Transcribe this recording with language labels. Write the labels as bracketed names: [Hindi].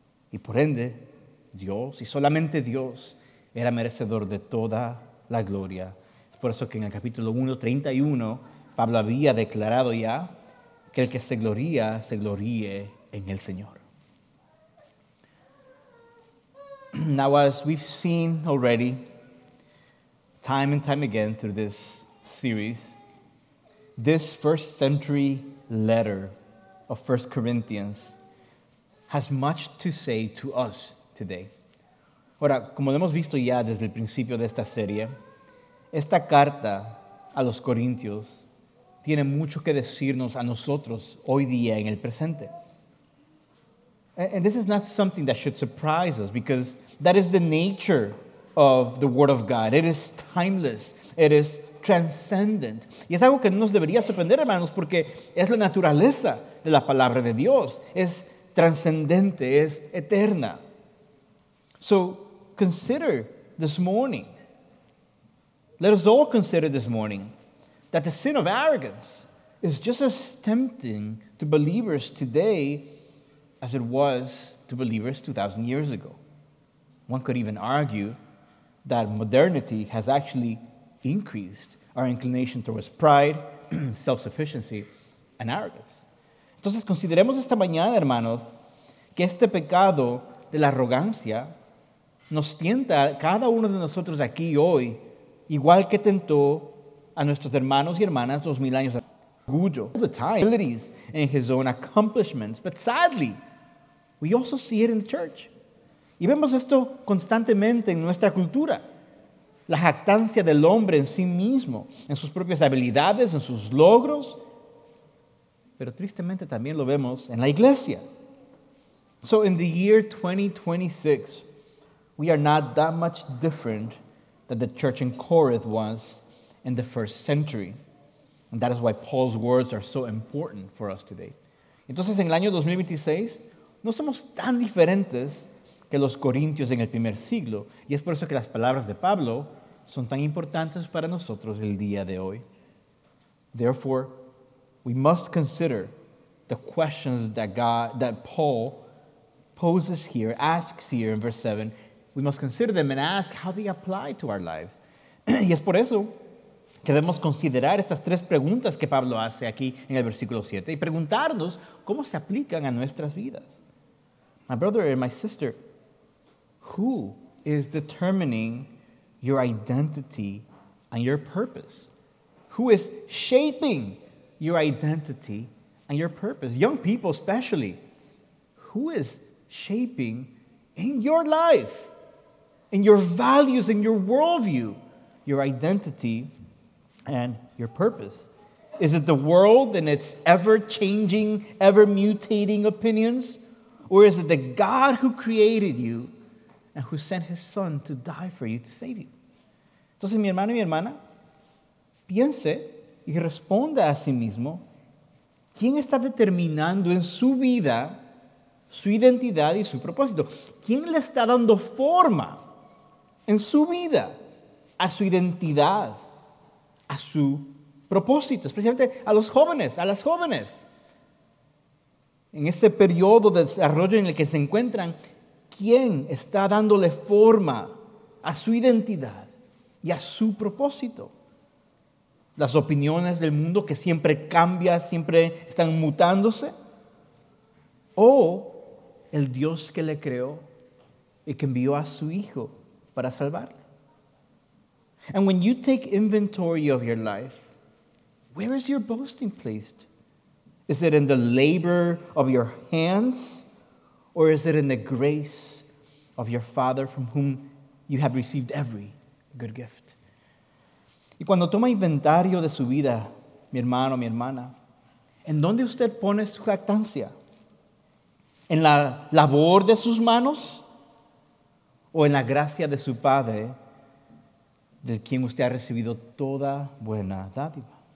[Spanish] Y por ende, Dios, y solamente Dios, era merecedor de toda la gloria. Es por eso que en el capítulo 1:31, Pablo había declarado ya que el que se gloríe en el Señor. [English] Now, as we've seen already, time and time again through this series, this first century letter of 1 Corinthians has much to say to us today. [Spanish] Ahora, como lo hemos visto ya desde el principio de esta serie, esta carta a los corintios tiene mucho que decirnos a nosotros hoy día en el presente. [English] And this is not something that should surprise us, because that is the nature of the Word of God. It is timeless. It is transcendent. [Spanish] Y es algo que no nos debería sorprender, hermanos, porque es la naturaleza de la palabra de Dios. Es transcendente. Es eterna. [English] So consider this morning. Let us all consider this morning that the sin of arrogance is just as tempting to believers today as it was to believers 2,000 years ago. One could even argue that modernity has actually increased our inclination towards pride, self-sufficiency, and arrogance. [Spanish] Entonces, consideremos esta mañana, hermanos, que este pecado de la arrogancia nos tienta a cada uno de nosotros aquí hoy, igual que tentó a nuestros hermanos y hermanas 2,000 años atrás. [English] orgullo, the time, abilities and his own accomplishments. But sadly, we also see it in the church. [Spanish] Y vemos esto constantemente en nuestra cultura. La jactancia del hombre en sí mismo, en sus propias habilidades, en sus logros. Pero tristemente también lo vemos en la iglesia. [English] So in the year 2026, we are not that much different than the church in Corinth was in the first century. And that is why Paul's words are so important for us today. [Spanish] Entonces en el año 2026, no somos tan diferentes que los corintios en el primer siglo. Y es por eso que las palabras de Pablo son tan importantes para nosotros el día de hoy. [English] Therefore, we must consider the questions that Paul poses here, asks here in verse 7. We must consider them and ask how they apply to our lives. [Spanish] Y es por eso que debemos considerar estas tres preguntas que Pablo hace aquí en el versículo 7 y preguntarnos cómo se aplican a nuestras vidas. [English] My brother and my sister, who is determining your identity and your purpose? Who is shaping your identity and your purpose? Young people especially, who is shaping in your life, in your values, in your worldview, your identity and your purpose? Is it the world and its ever-changing, ever-mutating opinions? Or is it the God who created you and who sent his son to die for you, to save you? [Spanish] Entonces, mi hermano y mi hermana, piense y responda a sí mismo, ¿quién está determinando en su vida su identidad y su propósito? ¿Quién le está dando forma en su vida a su identidad, a su propósito? Especialmente a los jóvenes, a las jóvenes. En ese periodo de desarrollo en el que se encuentran, ¿quién está dándole forma a su identidad y a su propósito? Las opiniones del mundo que siempre cambia, siempre están mutándose. O el Dios que le creó y que envió a su Hijo para salvarle. [English] And when you take inventory of your life, where is your boasting placed? Is it in the labor of your hands? Or is it in the grace of your Father from whom you have received every good gift? [Spanish] Y cuando toma inventario de su vida, mi hermano, mi hermana, ¿en dónde usted pone su jactancia? ¿En la labor de sus manos? ¿O en la gracia de su Padre, del quien usted ha recibido toda buena dádiva?